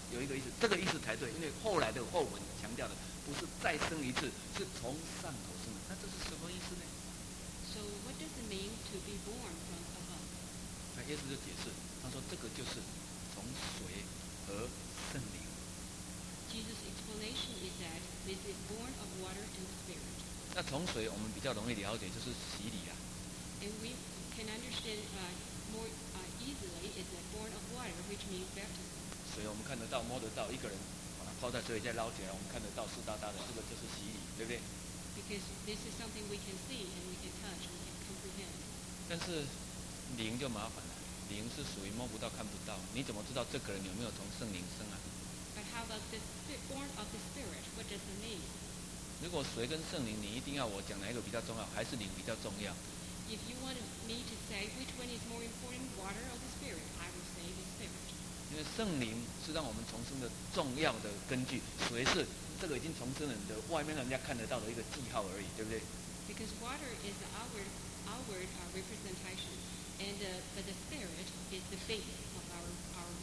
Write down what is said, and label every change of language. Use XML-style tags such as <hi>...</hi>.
<zh>有一个意思，这个意思才对，因为后来的后文强调的不是再生一次，是从上头生的。那这是什么意思呢</zh> <en>？So what does it mean to be born from above？</en> <zh>那耶稣就解释，他说这个就是从水和圣灵。</zh> <en>Jesus' explanation is that this is born of water and spirit。</en> <zh>那从水我们比较容易了解，就是洗礼啊。</zh> <en>And we can understand more easily is that born of water, which means baptism.</en> <zh>所以我们看得到、摸得到，一个人把它泡在水里再捞起来，我们看得到湿哒哒的，这个就是洗礼，对不对</zh> <en>？Because this is something we can see and we can touch, we can comprehend.</en> <zh>但是灵就麻烦了，灵是属于摸不到、看不到，你怎么知道这个人有没有从圣灵生啊</zh> <en>？But how about the born of the spirit? What does it mean?</en> <zh>如果水跟圣灵，你一定要我讲哪一个比较重要，还是灵比较重要？</zh> <en>If you want me to say which one is more important, water or the spirit, I will say the spirit.</en> <zh>因为圣灵是让我们重生的重要的根据，水是这个已经重生人的外面人家看得到的一个记号而已，对不对</zh> <en>？Because water is the outward representation, but the spirit is the faith of our</en>